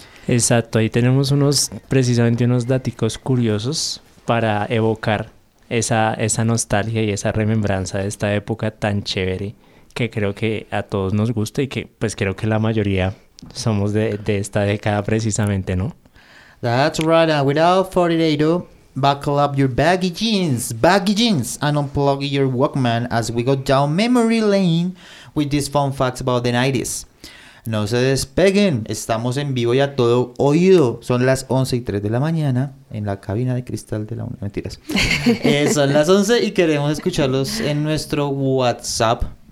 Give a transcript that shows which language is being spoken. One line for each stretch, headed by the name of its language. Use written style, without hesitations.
Spanish: Exacto, ahí tenemos precisamente unos daticos curiosos para evocar esa nostalgia y esa remembranza de esta época tan chévere. Que creo que a todos nos gusta y que pues creo que la mayoría somos de esta década precisamente, ¿no?
English: That's right, and without 48, buckle up your baggy jeans, and unplug your Walkman as we go down memory lane with these fun facts about the 90s.
Spanish: No se despeguen, estamos en vivo y a todo oído. Son las 11:03 de la mañana en la cabina de cristal de la UNED. Mentiras. Son las 11 y queremos escucharlos en nuestro WhatsApp.